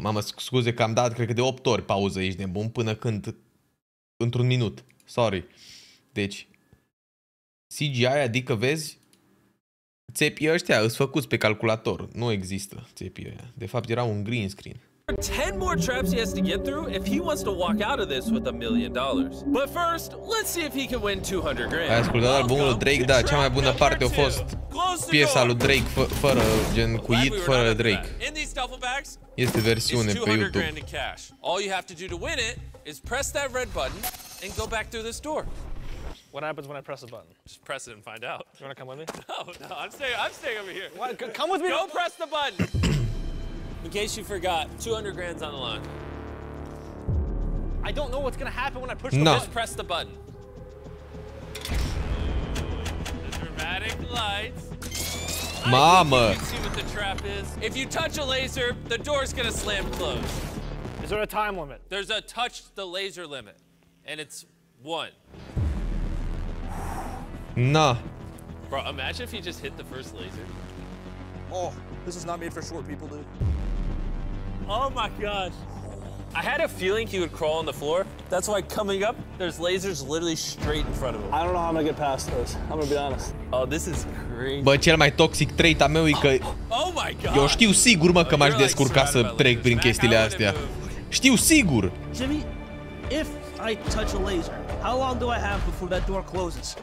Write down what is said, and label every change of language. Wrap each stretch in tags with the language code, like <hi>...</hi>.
<ro>Mamă, scuze că am dat, cred că de 8 ori pauză, ești nebun, până când... Într-un minut. Sorry. Deci... CGI, adică vezi... Țepii ăștia îs făcuți pe calculator. Nu există țepii ăia. De fapt, era un green screen.</ro> <en>10 more traps he has to get through if he wants to walk out of this with $1,000,000. But first, let's see if he can win 200 grand.</en> <ro>Ai ascultat albumul Drake? Da, cea mai bună parte a fost piesa lui Drake fără gen cu it, fără Drake. Este versiune pe YouTube.</ro> <en>All you have to do to win it is press that red button and go back through this door. What happens when I press a button? Just press it and find out. You want to come with me? No, I'm staying over here. What? Come with me. Go press the button. In case you forgot, 200 grand's on the line. I don't know what's gonna happen when I push the button. Just press the button. The dramatic lights. Mama. You can see what the trap is. If you touch a laser, the door's gonna slam closed. Is there a time limit? There's a touch the laser limit, and it's one. Nah. Bro, imagine if he just hit the first laser. Oh, this is not made for short people, dude. Oh my gosh. I had a feeling he would crawl on the floor. That's why coming up, there's lasers literally straight in front of him. I don't know how I'm gonna get past those. I'm gonna be honest. Oh, this is crazy.</en> <ro>Bă, cel mai toxic trait al meu e că...</ro> <en>Oh my god.</en> <ro>Eu știu sigur, mă, că m-aș descurca să trec prin chestiile astea. Știu sigur.</ro> <en>Jimmy, if I touch a laser, how long do I have before that door closes?</en>